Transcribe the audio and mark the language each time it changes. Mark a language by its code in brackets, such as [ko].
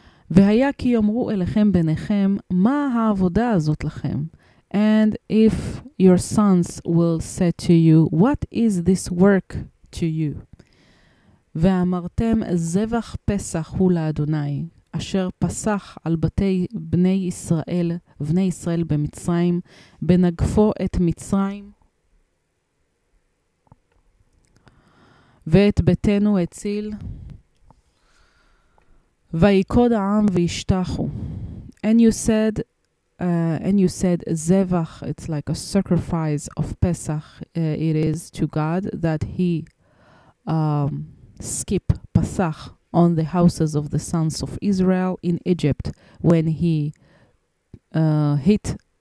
[he] והיה כי יאמרו אליכם ביניכם, מה העבודה הזאת לכם? [en] And if your sons will say to you, what is this work to you? [he] ואמרתם, זבח פסח הוא לאדוני. אשר פסח על בתי בני ישראל במצרים, בנגפו את מצרים, ואת ביתנו הציל, ויקוד העם וישתחו. [en] And you said, Zevach, it's like a sacrifice of Pesach, it is to God, that he skip Pesach, on the houses of the sons of Israel in Egypt when he hit